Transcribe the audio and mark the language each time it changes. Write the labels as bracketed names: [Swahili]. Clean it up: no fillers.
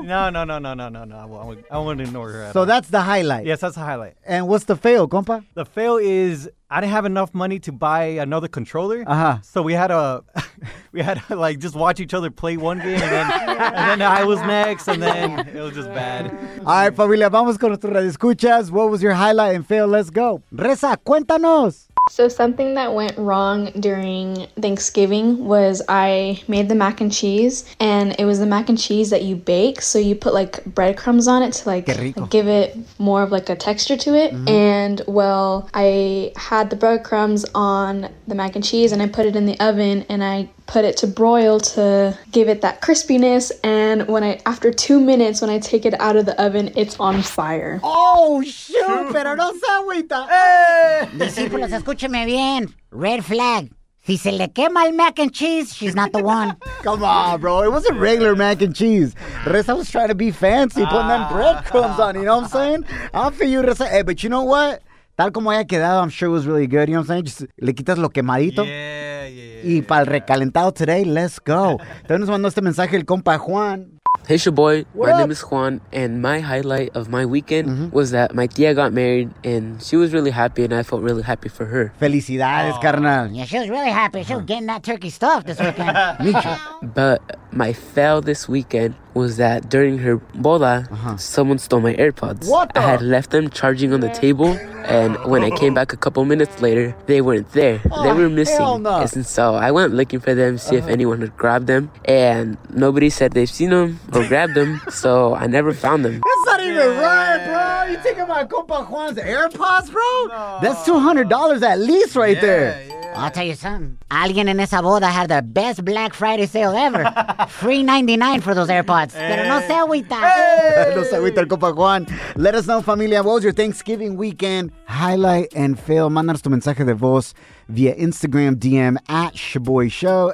[English] No. I won't ignore her at all. That's the highlight. Yes, that's the highlight. And what's the fail, compa? The fail is I didn't have enough money to buy another controller. Uh-huh. So we had a, like just watch each other play one game, and then, I was next, and then it was just bad. All right, [Spanish] familia, vamos con nuestro radio escuchas. [English] What was your highlight and fail? Let's go. Reza, [Spanish] cuéntanos. [English] So something that went wrong during Thanksgiving was I made the mac and cheese, and it was the mac and cheese that you bake. So you put like breadcrumbs on it to like give it more of like a texture to it. Mm-hmm. And well, I had the breadcrumbs on the mac and cheese, and I put it in the oven, and I put it to broil to give it that crispiness. And when I, after 2 minutes, when I take it out of the oven, it's on fire. Oh, shoot. [Spanish] Pero no se agüita. Discípulos, escúcheme bien. [English] Red flag. [Spanish] Si se le quema el [English] mac and cheese, she's not the one. Come on, bro. It wasn't regular mac and cheese. Reza was trying to be fancy, putting them breadcrumbs on. You know what I'm saying? I'm for you, Reza. Hey, but you know what? [Spanish] Tal como haya quedado, [English] I'm sure it was really good. You know what I'm saying? Just [Spanish] le quitas lo quemadito. [English] Yeah. [Spanish] Y para el recalentado [English] today, let's go. [Spanish] Entonces nos mandó este mensaje el compa Juan. [English] Hey, it's your boy. What up? Name is Juan, and my highlight of my weekend was that my tía got married, and she was really happy, and I felt really happy for her. [Spanish] Felicidades, carnal. [English] Yeah, she was really happy. She was getting that turkey stuff this weekend. Me too. But my fail this weekend was that during her boda, someone stole my AirPods. What the? I had left them charging on the table, and when I came back a couple minutes later, they weren't there. They were missing. Hell no. And so I went looking for them, see if anyone had grabbed them, and nobody said they've seen them or grabbed them, so I never found them. That's not even right, bro. You taking my compa Juan's AirPods, bro? No. That's $200 at least right there. Yeah. I'll tell you something. [Spanish] Alguien en esa boda [English] had the best Black Friday sale ever. Free 99 for those AirPods. [Spanish] Pero no se agüita. No se agüita el compa Juan. [English] Let us know, [Spanish] familia. [English] What was your Thanksgiving weekend highlight and fail? [Spanish] Mándanos tu mensaje de voz via Instagram DM at Shaboy Show.